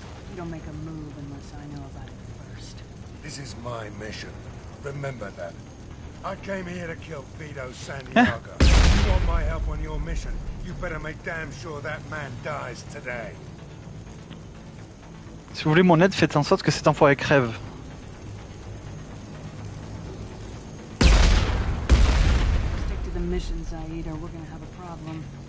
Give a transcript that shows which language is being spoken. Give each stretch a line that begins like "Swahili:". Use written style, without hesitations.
English: You don't make a move unless I know about it first. This is my mission. Remember that. I came here to kill Vito Santiago. If you want my help on your mission, you better make damn sure that man dies today.
French: Si vous voulez mon aide, faites en sorte que cet enfoiré crève.
English: Stick to the mission, Zaid, or we're gonna have a problem.